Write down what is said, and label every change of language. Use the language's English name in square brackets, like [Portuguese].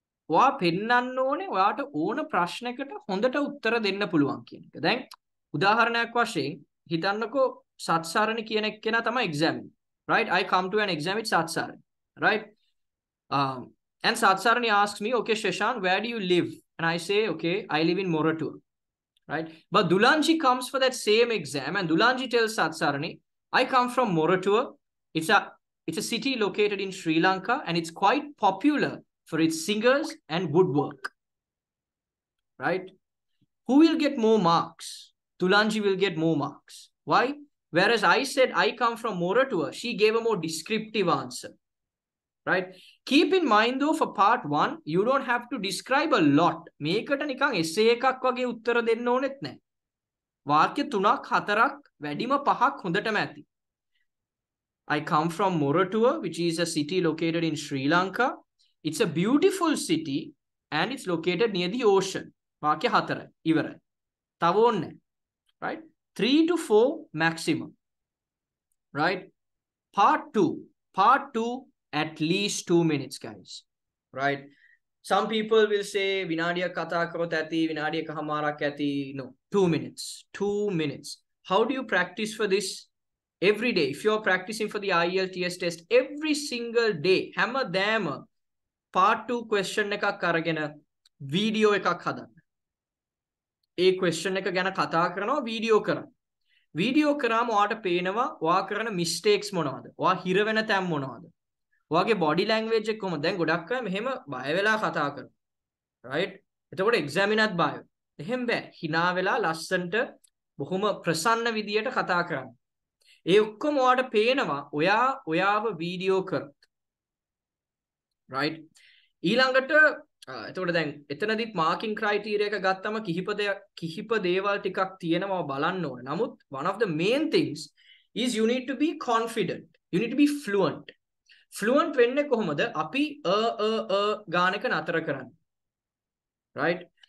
[Sinhala] ඔයා පෙන්නන්න ඕනේ ඔයාට ඕන ප්‍රශ්නයකට හොඳට උත්තර දෙන්න පුළුවන් කියන එක. දැන් උදාහරණයක් වශයෙන් හිතන්නකෝ සත්සරණ කියන එක්කෙනා තමයි exam. [English] Right? I come to an exam with Satsarani. Right? And Satsarani asks me, okay, Sheshan, where do you live? And I say, okay, I live in Moratuwa. Right? But Dulanji comes for that same exam and Dulanji tells Satsarani, I come from Moratuwa. It's a city located in Sri Lanka, and it's quite popular for its singers and woodwork. Right? Who will get more marks? Tulanji will get more marks. Why? Whereas I said I come from Moratuwa, she gave a more descriptive answer. Right? Keep in mind though, for part one, you don't have to describe a lot. [Sinhala] මේකට නිකන් essay එකක් වගේ උත්තර දෙන්න ඕනෙත් නැහැ. වාක්‍ය තුනක් හතරක් වැඩිම පහක් හොඳටම ඇති. [English] I come from Moratuwa, which is a city located in Sri Lanka. It's a beautiful city and it's located near the ocean. [Sinhala] වාක්‍ය හතරයි ඉවරයි. තව ඕනේ නැහැ. Right? [English] 3 to 4 maximum. Right? Part two. Part two, at least 2 minutes, guys. Right? Some people will say, [Sinhala] Vinadiya katha karot ati, Vinadiya kahamara kati. [English] No. 2 minutes. 2 minutes. How do you practice for this? Every day. If you are practicing for the IELTS test, every single day, hammer them. [Sinhala] Part two question ekak karagena, video ekak hadanna. A question එක ගැන කතා කරනවා video කරා. Video කරාම ඔයාට පේනවා ඔයා කරන මිස්ටේක්ස් මොනවද? ඔයා හිර වෙන තැන් මොනවද? ඔයාගේ බොඩි ලැන්ග්වේජ් එක කොහොමද? දැන් ගොඩක් අය මෙහෙම බය වෙලා කතා කරනවා. රයිට්? එතකොට එක්සෑමිනත් බය. එහෙම බෑ. හිනා වෙලා ලස්සනට බොහොම ප්‍රසන්න විදියට කතා කරන්න. ඒ ඔක්කොම ඔයාට පේනවා ඔයා ඔයාව වීඩියෝ කරත්. රයිට්? ඊළඟට එතකොට දැන් එතනදිත් මාකින් ක්‍රයිටීරියක ගත්තම කිහිප දේවල් ටිකක් තියෙනවා බලන්න ඕනේ. [English] නමුත් one of the main things is you need to be confident. You need to be fluent. [Sinhala] Fluent වෙන්නේ කොහොමද? අපි අ ගානක නතර කරන්න. Right?